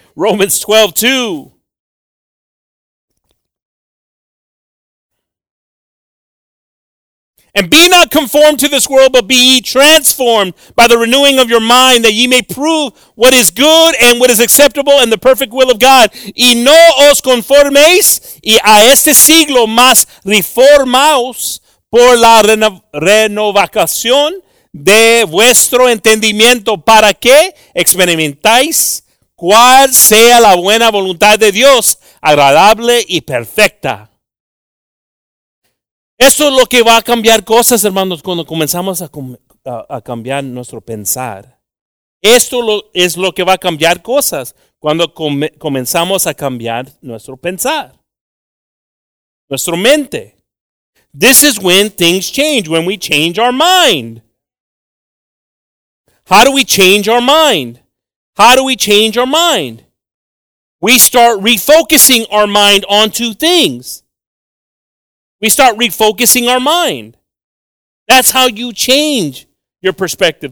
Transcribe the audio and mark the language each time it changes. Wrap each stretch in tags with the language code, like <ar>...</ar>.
<en>Romans 12:2. And be not conformed to this world, but be ye transformed by the renewing of your mind, that ye may prove what is good and what is acceptable and the perfect will of God.</en> <es>Y no os conforméis y a este siglo, mas reformaos por la renovación de vuestro entendimiento, para que experimentáis cuál sea la buena voluntad de Dios, agradable y perfecta. Eso es lo que va a cambiar cosas, hermanos, cuando comenzamos a cambiar nuestro pensar. Esto es lo que va a cambiar cosas cuando comenzamos a cambiar nuestro pensar, nuestra mente.</es> <en>This is when things change, when we change our mind. How do we change our mind? How do we change our mind? We start refocusing our mind onto things. We start refocusing our mind. That's how you change your perspective.</en>